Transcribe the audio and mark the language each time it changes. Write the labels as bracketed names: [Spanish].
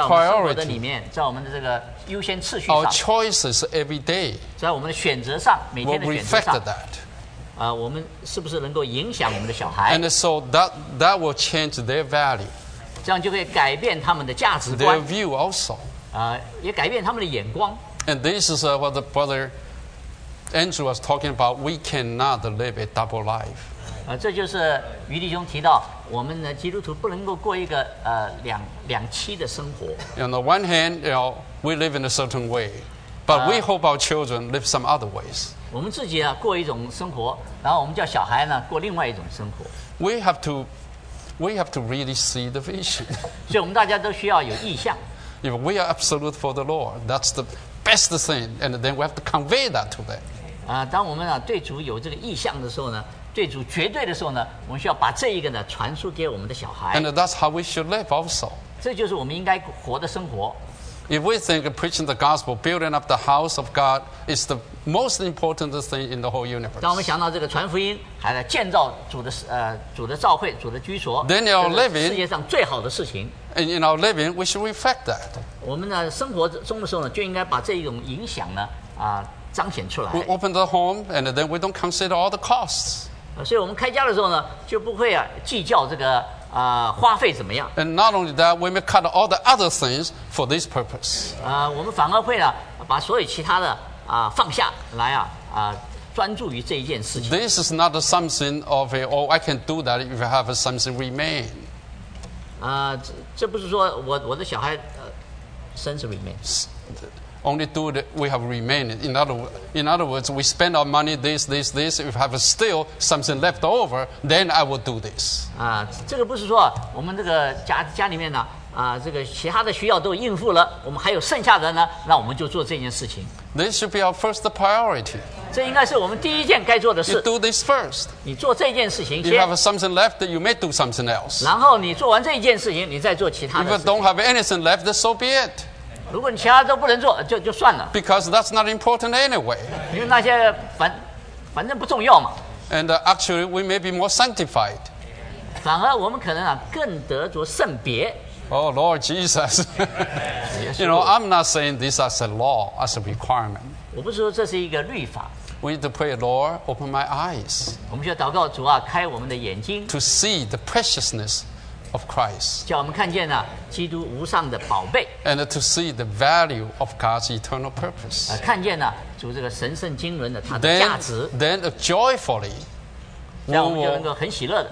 [Chinese] 在我们生活的里面，在我们的这个优先次序上 [English] ，our choices every day, [Chinese] 在我们的选择上，每天的选择上 [English] ，will reflect that. [Chinese] 我们是不是能够影响我们的小孩 [English] ？And so that will change their value. [Chinese] 这样就会改变他们的价值观。 [English] Their view also. [Chinese] 也改变他们的眼光。 [English] And this is what the brother Andrew was talking about. We cannot live a double life. [Chinese] 这就是余弟兄提到，我们的基督徒不能够过一个两栖的生活。 [English] On the one hand, you know, we live in a certain way, but we hope our children live some other ways. [Chinese] 我们自己啊过一种生活，然后我们叫小孩呢过另外一种生活。 [English] We have to really see the vision. [Chinese] 所以我们大家都需要有意向。 [English] If we are absolute for the Lord, that's the best thing, and then we have to convey that to them. [Chinese] 当我们啊对主有这个意向的时候呢，对主绝对的时候呢，我们需要把这一个呢传输给我们的小孩。 [English] And that's how we should live also. [Chinese] 这就是我们应该活的生活。 [English] If we think preaching the gospel, building up the house of God is the most important thing in the whole universe, [Chinese] 当我们想到这个传福音，还在建造主的召会、主的居所 [English] ，then in our living, [Chinese] 世界上最好的事情。 [English] And in our living, we should reflect that. [Chinese] 我们的生活中的时候呢，就应该把这种影响呢彰显出来。 [English] We open the home, and then we don't consider all the costs. [Chinese] 所以我们开家的时候呢，就不会计较这个花费怎么样。 [English] And not only that, we may cut all the other things for this purpose. [Chinese] 我们反而会呢，把所有其他的放下来啊，专注于这一件事情。 [English] This is not something of a, oh, I can do that if I have something remain. [Chinese] 这不是说我的小孩生是remain。 [English] Only do that we have remained. In other words, we spend our money, this. If we have still something left over, then I will do this. [Chinese] 这个不是说我们这个家里面呢，这个其他的需要都应付了，我们还有剩下的呢，那我们就做这件事情。 [English] This should be our first priority. [Chinese] 这应该是我们第一件该做的事。 [English] You do this first. [Chinese] 你做这件事情先。 [English] You have something left, you may do something else. [Chinese] 然后你做完这一件事情，你再做其他的事情。 [English] If you don't have anything left, so be it. [Chinese] 如果你其他都不能做，就算了。 [English] Because that's not important anyway. [Chinese] 因为那些反正不重要嘛。 [English] And actually, we may be more sanctified. [Chinese] 反而我们可能更得着圣别。 [English] Oh Lord Jesus, you know, I'm not saying this as a law, as a requirement. [Chinese] 我不是说这是一个律法。 [English] We need to pray, Lord, open my eyes. [Chinese] 我们需要祷告主啊，开我们的眼睛。 [English] To see the preciousness. Of Christ, [Chinese] 叫我们看见了基督无上的宝贝 [English] and to see the value of God's eternal purpose. [Chinese] 看见了主这个神圣经纶的它的价值 [English] then joyfully, [Chinese] 让我们就能够很喜乐的